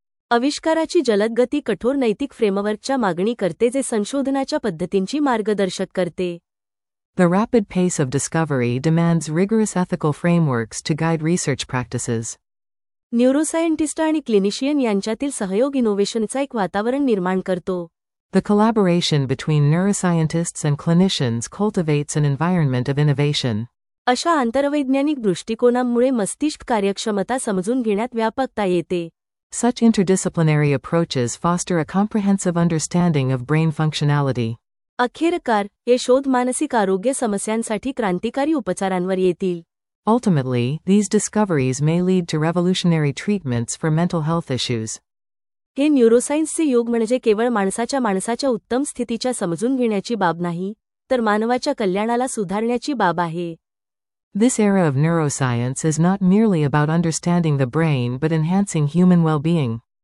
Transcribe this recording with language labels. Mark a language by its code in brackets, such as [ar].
[mr] आविष्काराची जलद गती कठोर नैतिक फ्रेमवर्कच्या मागणी करते जे संशोधनाच्या पद्धतींची मार्गदर्शक करते. [en] The rapid pace of discovery demands rigorous ethical frameworks to guide research practices. [mr] न्यूरोसायंटिस्ट आणि क्लिनिशियन यांच्यातील सहयोग इनोव्हेशनचा एक वातावरण निर्माण करतो. [en] The collaboration between neuroscientists and clinicians cultivates an environment of innovation. [mr] अशा आंतरवैज्ञानिक दृष्टिकोनामुळे मस्तिष्क कार्यक्षमता समजून घेण्यात व्यापकता येते. [en] Such interdisciplinary approaches foster a comprehensive understanding of brain functionality. [mr] अखेरकार हे शोध मानसिक आरोग्य समस्यांसाठी क्रांतिकारी उपचारांवर येतील. [en] Ultimately, these discoveries may lead to revolutionary treatments for mental health issues. [mr] हे न्यूरोसायन्सचे योग म्हणजे केवळ माणसाच्या उत्तम स्थितीच्या समजून घेण्याची बाब नाही, तर मानवाच्या कल्याणाला सुधारण्याची बाब आहे. [en] This era of neuroscience is not merely about understanding the brain but enhancing human well-being.